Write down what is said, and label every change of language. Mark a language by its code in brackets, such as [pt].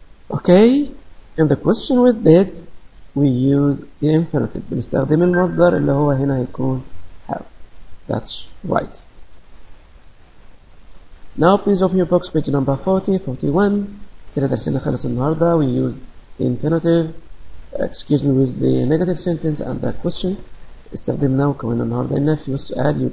[en] Okay, in the question with did, we use the infinitive. [ar] بنستخدم المصدر اللي هو هنا هيكون have. [en] That's right. Now please open your books, page number 40, 41. [ar] كده درسنا خلص النهاردة. [en] We use the infinitive, excuse me, with the negative sentence and the question. [ar] استخدمنا وكمان النهاردة النفي والسؤال.